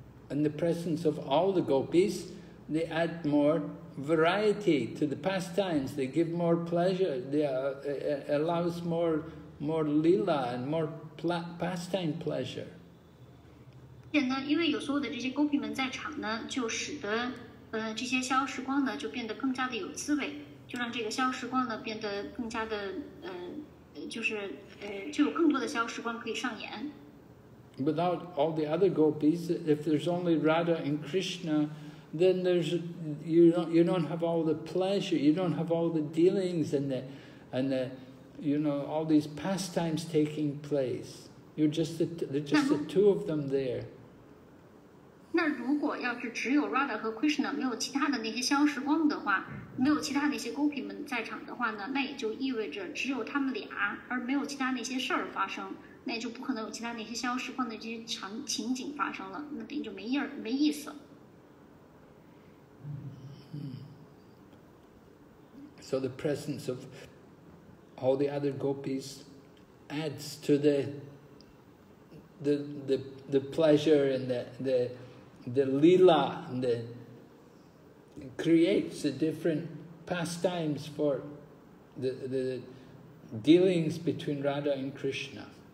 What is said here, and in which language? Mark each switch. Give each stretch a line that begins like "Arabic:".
English: In the presence of all the gopis, they add more variety to the pastimes. They give more pleasure. They allows more lila and more pastime pleasure.
Chinese: 因为有所有的这些 gopi 们在场呢，就使得这些逍遥时光呢就变得更加的有滋味，就让这个逍遥时光呢变得更加的就有更多的逍遥时光可以上演。
English: Without all the other gopis, if there's only Radha and Krishna, then you don't have all the pleasure, you don't have all the dealings and the you know all these pastimes taking place. You're just the two of them there.
Chinese: 那如果要是只有 Radha 和 Krishna 没有其他的那些逍遥时光的话，没有其他那些 gopi 们在场的话呢，那也就意味着只有他们俩，而没有其他那些事儿发生，那也就不可能有其他那些逍遥时光的这些情景发生了，那等于就没意思。
English: So the presence of all the other gopis adds to the pleasure and the lila, and then creates a different pastimes for the dealings between Radha and Krishna.